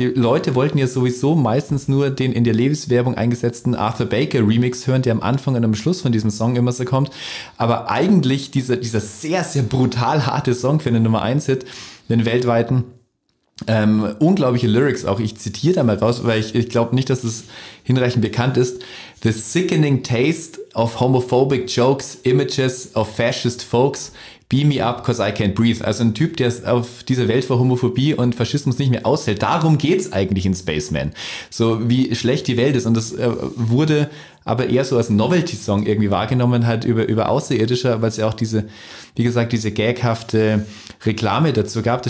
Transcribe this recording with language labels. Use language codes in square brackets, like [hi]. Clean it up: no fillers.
[de] Die Leute wollten ja sowieso meistens nur den in der Lebenswerbung eingesetzten Arthur Baker Remix hören, der am Anfang und am Schluss von diesem Song immer so kommt. Aber eigentlich dieser sehr, sehr brutal harte Song für den Nummer 1 Hit, den weltweiten, unglaubliche Lyrics auch. Ich zitiere da mal raus, weil ich glaube nicht, dass es hinreichend bekannt ist. [en] The sickening taste of homophobic jokes, images of fascist folks, beam me up, cause I can't breathe. [de] Also ein Typ, der auf dieser Welt vor Homophobie und Faschismus nicht mehr aushält. Darum geht's eigentlich in Spaceman. So, wie schlecht die Welt ist. Und das wurde aber eher so als Novelty-Song irgendwie wahrgenommen hat über Außerirdische, weil es ja auch diese gaghafte Reklame dazu gab.